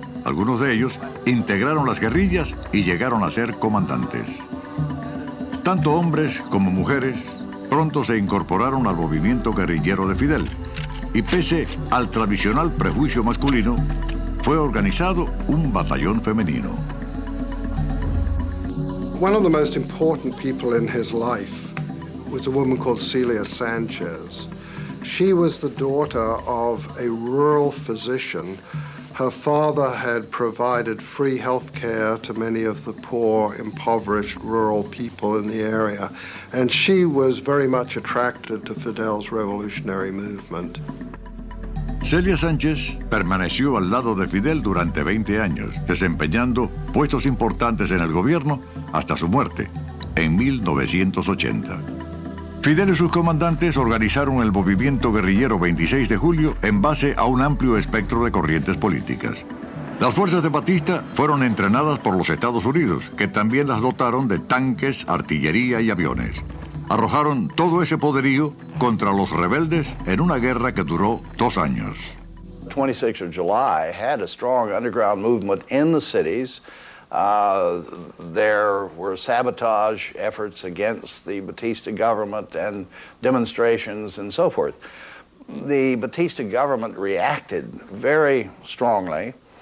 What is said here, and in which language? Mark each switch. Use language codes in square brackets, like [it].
[es] Algunos de ellos integraron las guerrillas y llegaron a ser comandantes. Tanto hombres como mujeres pronto se incorporaron al movimiento guerrillero de Fidel y, pese al tradicional prejuicio masculino, fue organizado un batallón femenino. [en] One of the most important people in his life was a woman called Celia Sanchez. She was the daughter of a rural physician. Her father had provided free health care to many of the poor, impoverished rural people in the area. And she was very much attracted to Fidel's revolutionary movement. [es] Celia Sánchez permaneció al lado de Fidel durante 20 años, desempeñando puestos importantes en el gobierno hasta su muerte, en 1980. Fidel y sus comandantes organizaron el movimiento guerrillero 26 de julio en base a un amplio espectro de corrientes políticas. Las fuerzas de Batista fueron entrenadas por los Estados Unidos, que también las dotaron de tanques, artillería y aviones. Arrojaron todo ese poderío contra los rebeldes en una guerra que duró 2 años. [en] 26 de julio had a strong underground movement in the cities. There were sabotage efforts against the Batista government and demonstrations and so forth. The Batista government reacted very strongly.